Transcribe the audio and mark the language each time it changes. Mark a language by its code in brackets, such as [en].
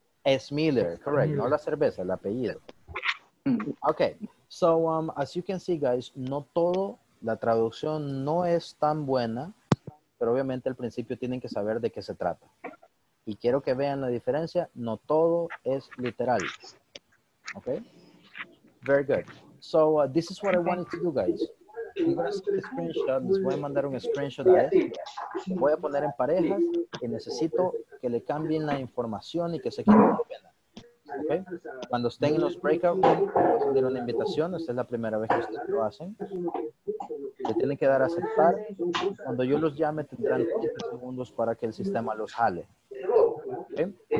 [es] Es Miller, correct. No la cerveza, el apellido. [en] Okay, so as you can see, guys, [es] no todo, la traducción no es tan buena, pero obviamente al principio tienen que saber de qué se trata. Y quiero que vean la diferencia, no todo es literal. [en] Okay, very good. So this is what I wanted to do, guys. I'm going to send a screenshot. [es] Les voy a mandar un screenshot a este. Lo voy a poner en parejas y necesito que le cambien la información y que se quede. Okay. Cuando estén en los breakouts, les voy a dar una invitación. Esta es la primera vez que ustedes lo hacen. Le tienen que dar a aceptar. Cuando yo los llame, tendrán 30 segundos para que el sistema los jale. Okay.